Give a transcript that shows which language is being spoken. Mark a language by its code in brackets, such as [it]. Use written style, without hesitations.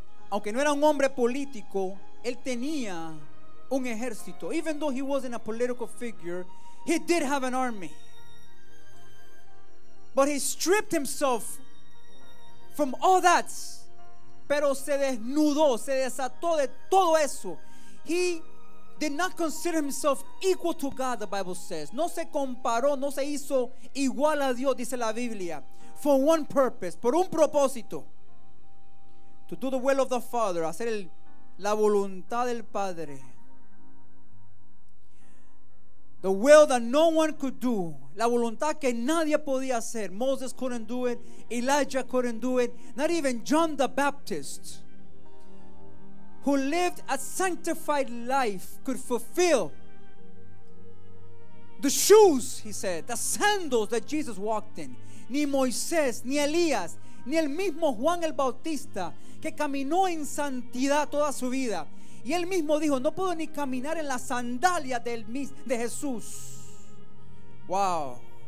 [es] Aunque no era un hombre político, él tenía un ejército. [en] Even though he wasn't a political figure, he did have an army. But he stripped himself from all that. [es] Pero se desnudó, se desató de todo eso. [en] He did not consider himself equal to God, the Bible says. [es] No se comparó, no se hizo igual a Dios, dice la Biblia. [en] For one purpose, [es] por un propósito. [en] To do the will of the Father, [es] hacer la voluntad del Padre. [en] The will that no one could do. [es] La voluntad que nadie podía hacer. [en] Moses couldn't do it. Elijah couldn't do it. Not even John the Baptist, who lived a sanctified life, could fulfill the shoes, he said, the sandals that Jesus walked in. [es] Ni Moisés, ni Elías, ni el mismo Juan el Bautista, que caminó en santidad toda su vida. Y él mismo dijo, no puedo ni caminar en las sandalias de Jesús. Wow.